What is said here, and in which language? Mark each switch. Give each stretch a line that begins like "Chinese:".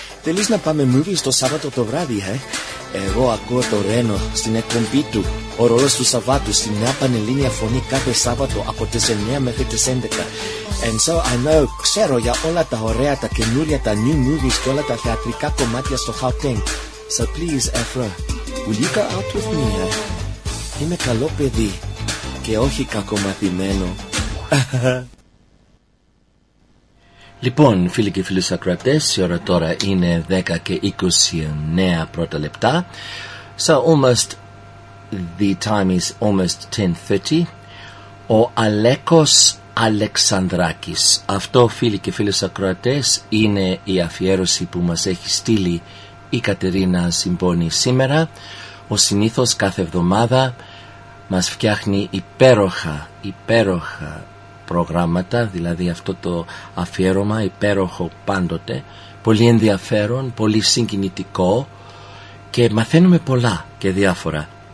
Greek: Θέλεις να πάμε movies το Σάββατο το βράδυ, ε? Εγώ ακούω το Ρένο στην εκπομπή του, ο ρόλος του Σαββάτου, στην νέα πανελλήνια φωνή κάθε Σάββατο από τις 9 μέχρι τις 11.
English: And so I know,
Greek: ξέρω για όλα τα ωραία, τα καινούρια, τα
English: new movies
Greek: και όλα τα θεατρικά κομμάτια στο Χαουτέγκ.
English: So please, Ephra, will you go out with me, eh?
Greek: Είμαι καλό παιδί και όχι κακομαθημένο. Λοιπόν, φίλοι και φίλοι ακροατές, η ώρα τώρα είναι 10 και 29 πρώτα λεπτά.
English: So almost, the time is almost 10:30.
Greek: Ο Αλέκος Αλεξανδράκης. Αυτό, φίλοι και φίλοι ακροατές, είναι η αφιέρωση που μας έχει στείλει η Κατερίνα Συμπόνη σήμερα. Ο συνήθως κάθε εβδομάδα μας φτιάχνει υπέροχα, υπέροχα προγράμματα, δηλαδή αυτό το αφιέρωμα υπέροχο πάντοτε, πολύ ενδιαφέρον, πολύ συγκινητικό και μαθαίνουμε πολλά και διάφορα.